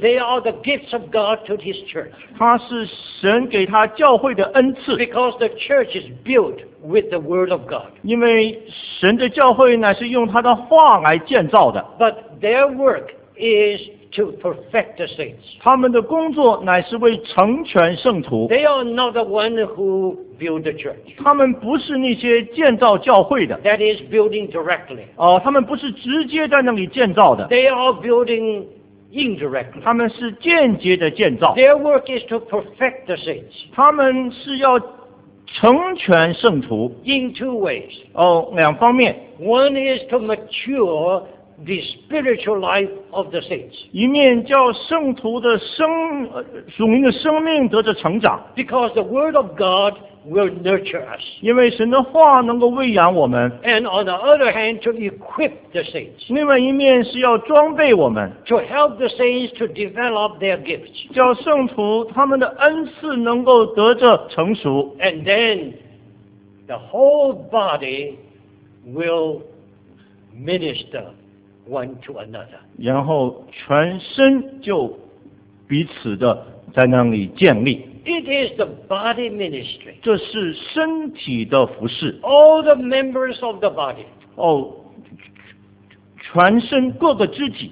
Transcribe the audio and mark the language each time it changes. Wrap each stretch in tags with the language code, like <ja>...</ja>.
<en>They are the gifts of God to His church.</en> <zh>他是神给他教会的恩赐。</zh> <en>Because the church is built. With the word of God.</en> <zh>因为神的教会乃是用他的话来建造的。</zh> <en>But their work is to perfect the saints.</en> <zh>他们的工作乃是为成全圣徒。</zh> <en>They are not the one who build the church.</en> <zh>他们不是那些建造教会的。</zh> <en>That is building directly.</en> <zh>他们不是直接在那里建造的。</zh> <en>They are building indirectly.</en> <zh>他们是间接的建造。</zh> <en>Their work is to perfect the saints.</en> <zh>他们是要成全圣徒</zh> <en>in two ways.</en> <zh>两方面。</zh> <en>One is to mature the spiritual life of the saints.</en> <zh>一面叫圣徒的属灵的生命得着成长。</zh> <en>Because the word of God will nurture us.</en> <zh>因为神的话能够喂养我们。</zh> <en>And on the other hand, to equip the saints.</en> <zh>另外一面是要装备我们。</zh> <en>To help the saints to develop their gifts.</en> <zh>叫圣徒他们的恩赐能够得着成熟。</zh> <en>And then, the whole body will minister one to another.</en> <zh>然后全身就彼此的在那里建立。</zh> <en>It is the body ministry.</en> <zh>这是身体的服事。</zh> <en>All the members of the body.</en> <zh>全身各个肢体。</zh>